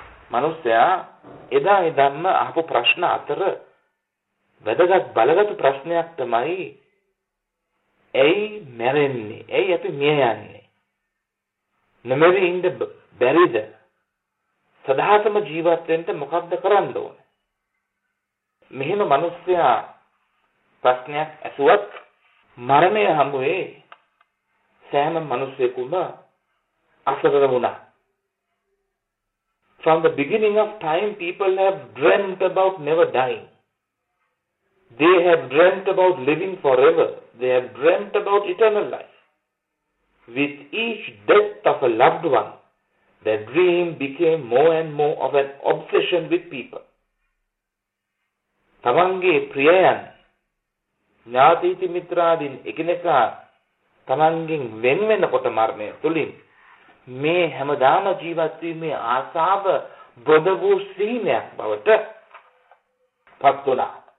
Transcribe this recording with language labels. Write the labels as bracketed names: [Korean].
[Sinhala] මනුස්සයා එදා ඉදන්ම අහපු ප්‍රශ්න අතර වැදගත් බලගත් ප්‍රශ්නයක් තමයි ඇයි මැරෙන්නේ, ඇයි අපි මිය යන්නේ, නොමැරී ඉඳ බැරිද, සදාතම ජීවත් වෙන්න මොකක්ද කරන්න ඕනේ. මෙහෙම මනුස්සයා ප්‍රශ්නයක් ඇසුවත් මරණය හමුවේ සෑම මනුස්සයෙකුම අසරණ වුණා. [English] From the beginning of time, people have dreamt about never dying. They have dreamt about living forever. They have dreamt about eternal life. With each death of a loved one, their dream became more and more of an obsession with people. [Sinhala] Tamange priyayan, ඥාතීති මිත්‍රාදීන් එකිනෙකා තමන්ගෙන් වෙන් වෙනකොට මරණය තුලින් මේ හැමදාම ජීවත් වීමේ ආසාව බොද වූ සීනයක් බවට පත් වුණා.